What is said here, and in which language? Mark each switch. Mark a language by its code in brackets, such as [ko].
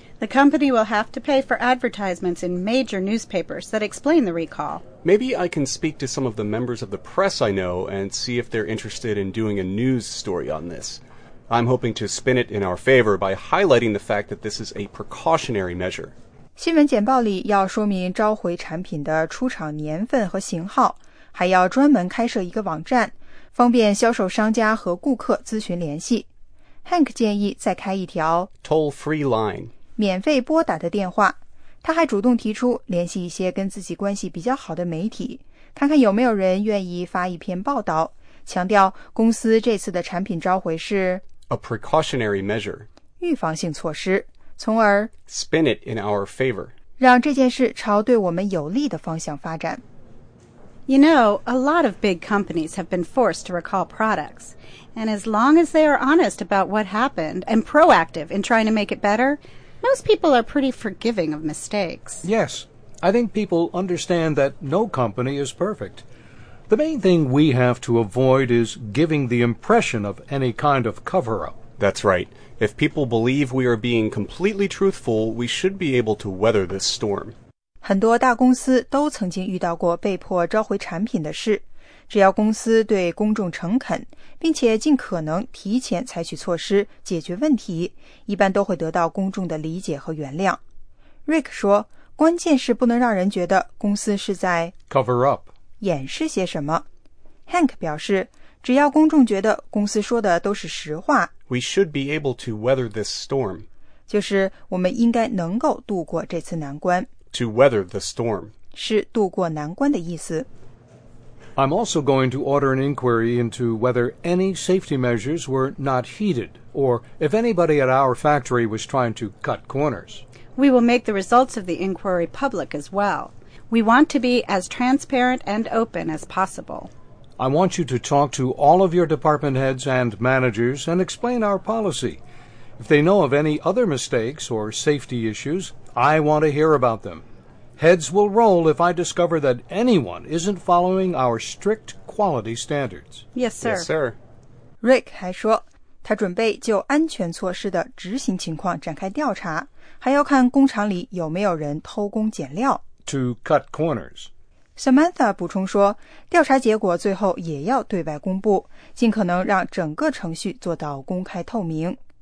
[en] The company will have to pay for advertisements in major newspapers that explain the recall. Maybe I can speak to some of the members of the press I know and see if they're interested in doing a news story on this. I'm hoping to spin it in our favor by highlighting the fact that this is a precautionary measure. [zh] 新闻简报里要说明召回产品的出厂年份和型号，还要专门开设一个网站，方便销售商家和顾客咨询联系。 Hank 建议再开一条 [en] toll-free line [zh] 免费拨打的电话，他还主动提出联系一些跟自己关系比较好的媒体，看看有没有人愿意发一篇报道，强调公司这次的产品召回是 [en] a precautionary measure [zh] 预防性措施，从而 [en] spin it in our favor [zh] 让这件事朝对我们有利的方向发展。 [en] You know, a lot of big companies have been forced to recall products, and as long as they are honest about what happened and proactive in trying to make it better, most people are pretty forgiving of mistakes. Yes, I think people understand that no company is perfect. The main thing we have to avoid is giving the impression of any kind of cover-up. That's right. If people believe we are being completely truthful, we should be able to weather this storm. [zh] 很多大公司都曾经遇到过被迫召回产品的事。只要公司对公众诚恳，并且尽可能提前采取措施解决问题，一般都会得到公众的理解和原谅。 Rick 说，关键是不能让人觉得公司是在 [en] cover up [zh] 掩饰些什么。 Hank 表示，只要公众觉得公司说的都是实话 [en] ，We should be able to weather this storm， [zh] 就是我们应该能够度过这次难关。 [en] To weather the storm [zh] 是度过难关的意思。 [en] I'm also going to order an inquiry into whether any safety measures were not heeded, or if anybody at our factory was trying to cut corners. We will make the results of the inquiry public as well. We want to be as transparent and open as possible. I want you to talk to all of your department heads and managers and explain our policy. If they know of any other mistakes or safety issues, I want to hear about them. Heads will roll if I discover that anyone isn't following our strict quality standards. Yes, sir. Yes, sir. [zh] Rick 还说，他准备就安全措施的执行情况展开调查，还要看工厂里有没有人偷工减料。 [en] To cut corners. [zh] Samantha 补充说，调查结果最后也要对外公布，尽可能让整个程序做到公开透明。